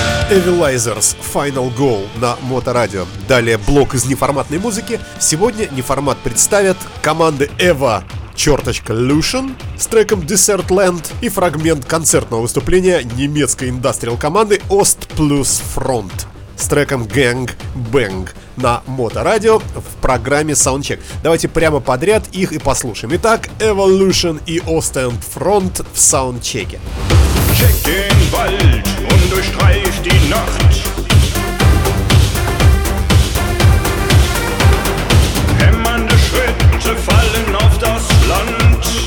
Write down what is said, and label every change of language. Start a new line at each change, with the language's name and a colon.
Russian: Evilizers Final Goal на Моторадио. Далее блок из неформатной музыки. Сегодня неформат представят команды Evo-lution с треком Desertland и фрагмент концертного выступления немецкой индастриал-команды Ost+Front с треком Gang Bang на Моторадио в программе Soundcheck. Давайте прямо подряд их и послушаем. Итак, Evo-lution и Ost+Front в Soundcheck'е.
German: Check den Wald und durchstreif die Nacht. Hämmernde Schritte fallen auf das Land.